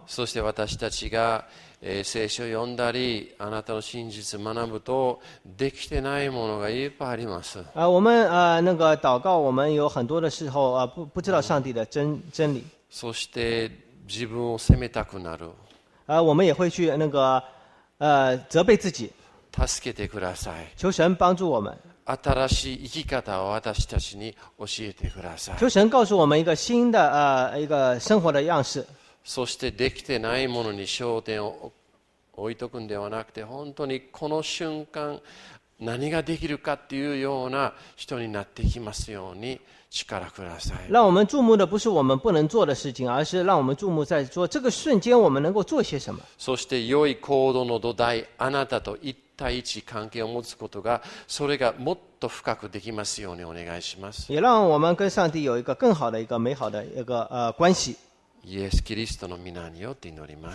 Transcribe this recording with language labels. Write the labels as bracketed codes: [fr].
[ja] そして私たちが、聖書を読んだり、あなたの真実を学ぶとできてないものがいっぱいあります。 [zh] 我们那个祷告，我们有很多的时候不知道上帝的真理。 [ja] そして自分を責めたくなる。 [zh] 我们也会去那个责备自己。 [ja] 助けてください。 [zh] 求神帮助我们。 [ja] 新しい生き方を私たちに教えてください。 [zh] 求神告诉我们一个新的一个生活的样式。 [ja] そしてできてないものに焦点を置いとくんではなくて、本当にこの瞬間何ができるかっていうような人になってきますように。力ください。 [zh] 让我们注目的不是我们不能做的事情，而是让我们注目在说这个瞬间我们能够做些什么。 [ja] そして良い行動の土台、あなたと一対一関係を持つことが、それがもっと深くできますようにお願いします。 [zh] 也让我们跟上帝有一个更好的一个美好的一个关系。 [ja] イエス・キリストの皆によって祈ります。